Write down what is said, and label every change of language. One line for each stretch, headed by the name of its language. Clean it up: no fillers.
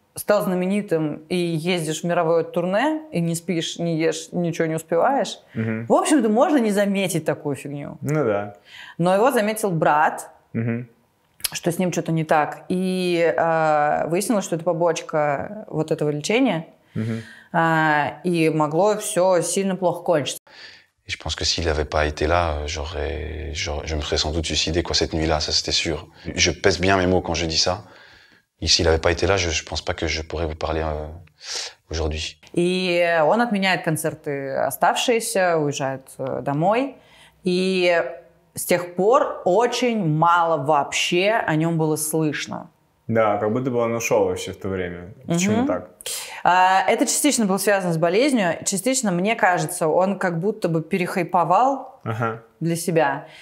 Russian: стал знаменитым и ездишь в мировое турне, и не спишь, не ешь, ничего не успеваешь, угу. в общем-то, можно не заметить такую фигню. Ну да. Но его заметил брат, угу. что с ним что-то не так. И выяснилось, что это побочка вот этого лечения. Mm-hmm. И могло все сильно плохо кончиться.
French: Je pense que s'il avait pas été là, je me serais sans doute suicidé quoi cette nuit-là, ça c'était sûr. Je pèse bien mes mots quand je dis ça. Et s'il avait pas été là, je pense pas que je pourrais vous parler aujourd'hui.
Russian: И он отменяет концерты оставшиеся, уезжает домой. И с тех пор очень мало вообще о нем было слышно. Да, как будто бы он ушел вообще в то время. Почему угу. так? Это частично было связано с болезнью. Частично, мне кажется, он как будто бы перехайповал ага. для себя.